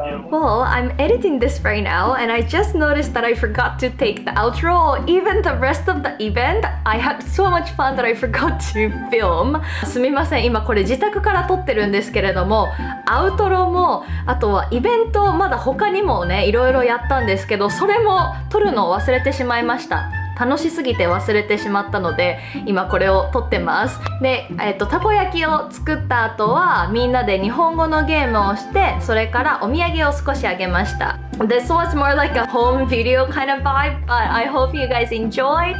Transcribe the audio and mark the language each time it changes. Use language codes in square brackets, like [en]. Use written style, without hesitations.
[en] Well, I'm editing this right now, and I just noticed that I forgot to take the outro or even the rest of the event. I had so much fun that I forgot to film. [ja] すみません、今これ自宅から撮ってるんですけれども、アウトロも、あとはイベント、まだ他にもね、いろいろやったんですけど、それも撮るのを忘れてしまいました。楽しすぎて忘れてしまったので今これを撮ってます。で、たこ焼きを作った後はみんなで日本語のゲームをして、それからお土産を少しあげました。 [en] This was more like a home video kind of vibe, but I hope you guys enjoy.